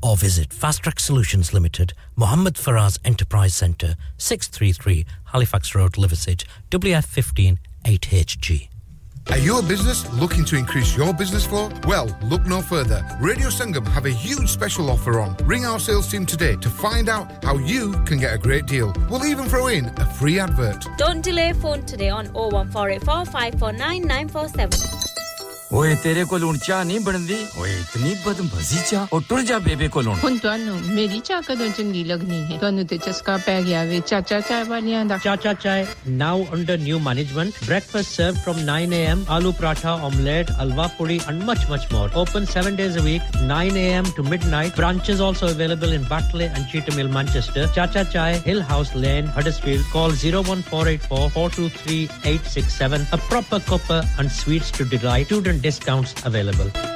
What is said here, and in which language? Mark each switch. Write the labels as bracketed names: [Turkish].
[English] or visit Fast Track Solutions Limited, Muhammad Faraz Enterprise Centre, 633 Halifax Road, Liversedge, WF15 8HG. Are you a business looking to increase your business flow? Well, look no further. Radio Sangam have a huge special offer on. Ring our sales team today to find out how you can get a great deal. We'll even throw in a free advert. Don't delay, phone today on 01484 549 947. [Punjabi] ਓਏ ਤੇਰੇ ਕੋਲ ਹੁਣ ਚਾਹ ਨਹੀਂ ਬਣਦੀ ਓਏ ਇਤਨੀ ਬਦਮਜ਼ੀ ਚਾਹ ਉਹ ਟੁਰ ਜਾ ਬੇਬੇ ਕੋਲ ਹੁਣ ਤੁਹਾਨੂੰ ਮੇਰੀ ਚਾਹ ਕਦੋਂ ਚੰਗੀ ਲੱਗਣੀ ਹੈ ਤੁਹਾਨੂੰ ਤੇ ਚਸਕਾ ਪੈ ਗਿਆ ਵੇ ਚਾਚਾ ਚਾਹ ਵਾਲਿਆਂ ਦਾ [English] Chacha Chah now under new management breakfast serve from 9 A M aloo paratha omelette halwa puri and much much more open 7 days a week 9 A M to midnight branches also available in Batley and Cheetham Hill Manchester Chacha Chah Hill House Lane Huddersfield call 01484-423-867 a proper cuppa and sweets to delight Student discounts available.